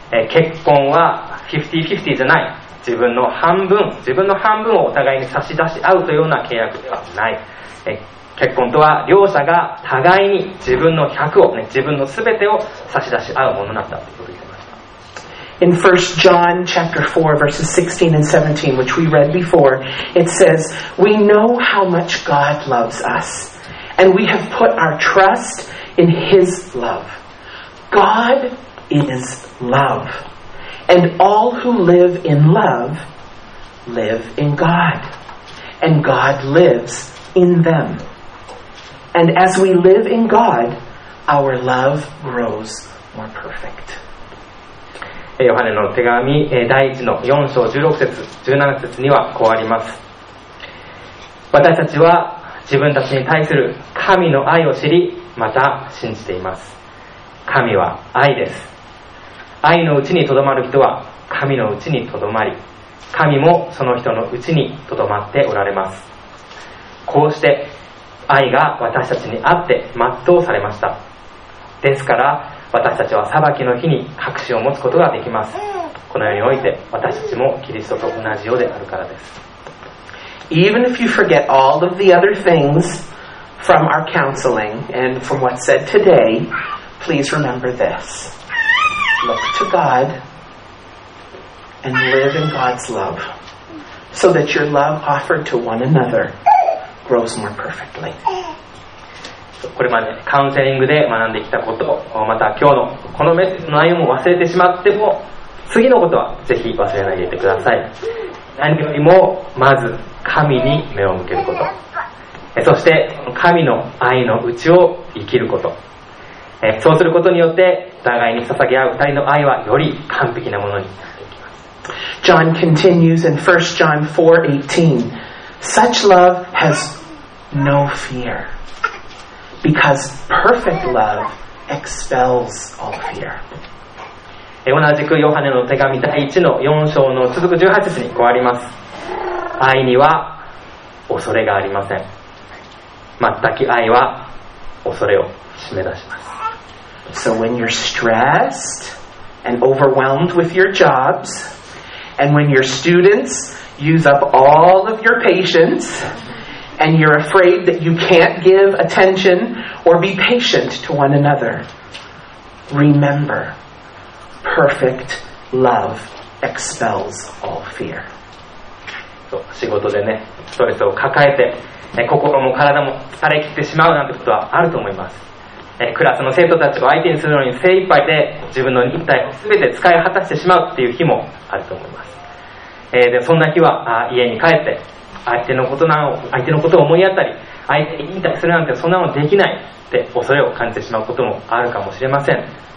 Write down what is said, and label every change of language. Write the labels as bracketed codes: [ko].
[ja] 結婚は 50-50 じゃない。自分の半分をお互いに差し出し合うというような契約ではない。結婚とは両者が互いに自分の100を、ね、自分の全てを差し出し合うものなんだということを言ってました。 [en] In 1 John chapter 4 verses 16 and 17, which we read before, it says, We know how much God loves us, and we have put our trust in His love. God is love, and all who live in love live in God, and God lives in them. And as we live in God, our love grows more perfect. [ja] ヨハネの手紙第1の4章16節17節にはこうあります。私たちは自分たちに対する神の愛を知り、また信じています。神は愛です。愛のうちにとどまる人は神のうちにとどまり、神もその人のうちにとどまっておられます。こうして愛が私たちにあって全うされました。ですから私たちは裁きの日に確信を持つことができます。この世において私たちもキリストと同じようであるからです。 [en] Even if you forget all of the other things from our counseling and from what's said today, please remember this. look to God and live in God's love so that your love offered to one another grows more perfectly. [ja] これまでカウンセリングで学んできたことをまた今日のこの内容も忘れてしまっても次のことはぜひ忘れないでいてください。何よりもまず神に目を向けること、そして神の愛のうちを生きること、そうすることによってお互いに捧げ合う二人の愛はより完璧なものになっていきます。 [en] John continues in 1 John 4:18 Such love has no fear because perfect love expels all fear。 [ja] 同じくヨハネの手紙第1の4章の続く18節にこうあります。愛には恐れがありません。全く愛は恐れを締め出します。 [en] So when you're stressed and overwhelmed with your jobs and when your students use up all of your patience and you're afraid that you can't give attention or be patient to one another, rememberPerfect love expels all fear. [ja] そう、仕事でね、ストレスを抱えて、心も体も疲れ切ってしまうなんてことはあると思います。クラスの生徒たちを相手にするのに精一杯で、自分の肉体を全て使い果たしてしまうっていう日もあると思います。でそんな日は、家に帰って相手のことを思いやったり、相手に引退するなんてそんなのできないって恐れを感じてしまうこともあるかもしれません。